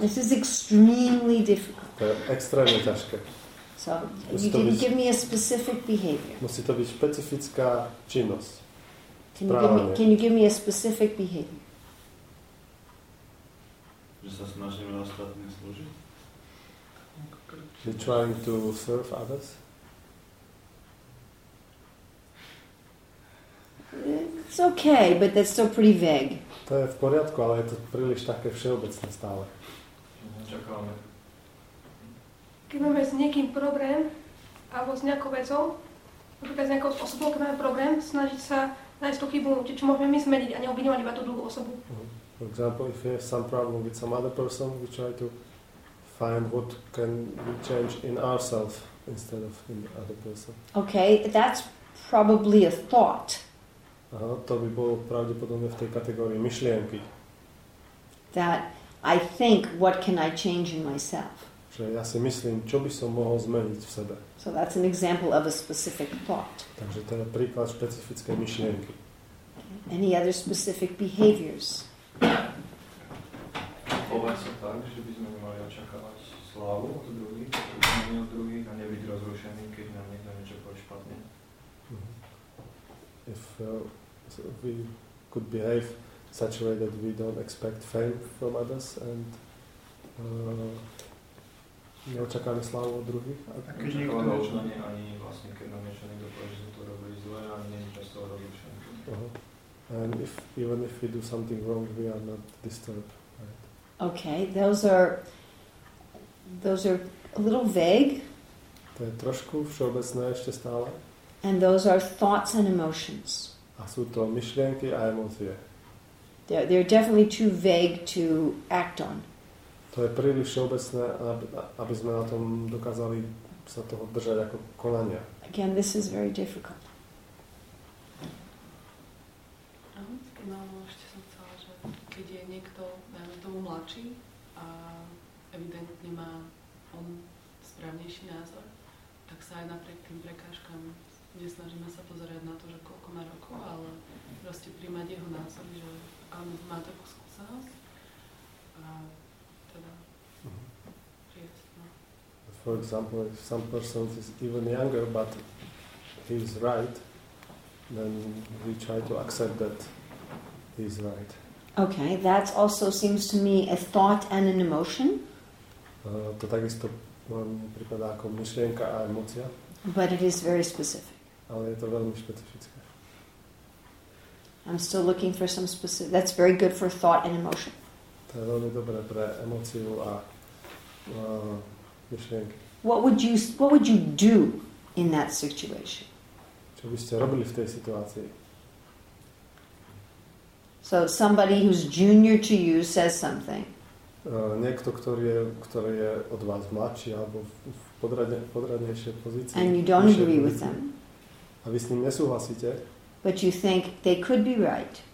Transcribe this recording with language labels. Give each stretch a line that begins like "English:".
English: This is extremely difficult.
Slovak: To je extrémne ťažké.
English: So you didn't give me a specific behavior.
Slovak: Musí to byť špecifická činnosť.
English: Can you give me a specific behavior?
Slovak: Že sa snažíme ostatným slúžiť.
English: You're trying to serve others. It's okay, but that's still pretty vague.
Slovak: To je v poriadku, ale je to príliš také všeobecné stále. Čakáme. Keď máme s niekým problém, alebo s nejakou vecou, napríklad s nejakou osobou, keď máme problém, snažiť sa nájsť tú chybu, čo môžeme my zmeniť a neobviňovať iba tú druhú osobu.
English: For example, if you have some problem with some other person, we try to find what can we change in ourselves instead of in the other person. Okay, that's probably a thought.
Slovak: To by bolo pravdepodobne v tej kategórii myšlienky.
English: That I think, what can I change in myself?
Slovak: Že ja si myslím, čo by som mohol zmeniť v sebe.
English: So that's an example of a specific thought.
Slovak: Takže to je príklad špecifickej myšlienky.
English: Okay. Any other specific behaviors?
Slovak: Chovať sa tak, že by sme mali očakávať slávu od druhých a nebyť rozrušený, keď nám niekto niečo povie špatne.
English: If we could behave such a way that we don't expect fame from others and
Slovak: neočakáme slávu od druhých. A keď niekto niečo... Ani vlastne, keď nám niečo niekto povie, že sme to robili zle, ani nie je to rozrušený.
English: And if, even if we do something wrong, we are not disturbed, right? Okay, those are a little vague.
Slovak: To je trošku všeobecné ešte stále.
English: And those are thoughts and emotions.
Slovak: A sú to myšlienky a emócie.
English: They're definitely too vague to act on.
Slovak: To je príliš všeobecné, aby sme na tom dokázali sa toho držať ako konania.
English: Again, this is very difficult.
Slovak: No, ešte som chcela, že keď je niekto, dajme tomu, mladší a evidentne má on správnejší názor, tak sa aj napriek tým prekážkam nesnažíme sa pozerať na to, že koľko má rokov, ale proste príjmať jeho názor, že on má takú skúsenosť a teda prijať.
English: For example, if some person is even younger, but he is right, then we try to accept that. He's right. Okay, that also seems to me a thought and an emotion.
Slovak: To takisto pripadá ako myšlienka a emócia.
English: But it is very specific.
Slovak: Ale je to veľmi špecifické.
English: I'm still looking for some specific. That's very good for thought and emotion.
Slovak: To je veľmi dobré pre emóciu a myšlienky.
English: What would you do in that situation?
Slovak: Čo by ste robili v tej situácii?
English: So somebody who's junior to you says something.
Slovak: Niekto, ktorý je od vás mladší alebo v podradnejšej pozícii.
English: And you don't agree with them.
Slovak: A vy s ním nesúhlasíte.
English: But you think they could be right.